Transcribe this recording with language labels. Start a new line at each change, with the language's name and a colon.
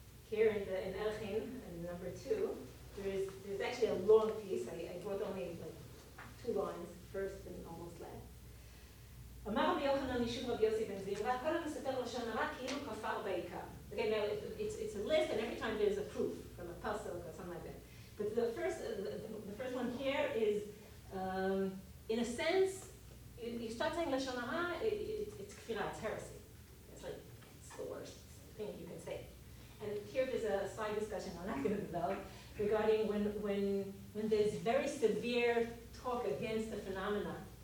English: Here in Elchin, in number two, there's actually a long piece. I brought only like two lines, first and almost last.
Hebrew: אמר רבי יוחנן ישוב רבי יוסי בן זירא, כל המספר לשון הרע כאילו כפר בעיקר.
English: Okay, now it's a list, and every time there's a proof from a pasuk or something like that. But the first one here is, in a sense, you start saying lashon hara, it's kfirah, it's heresy. It's like, it's the worst thing you can say. And here there's a side discussion I'm not going to develop regarding when there's very severe talk against the phenomena.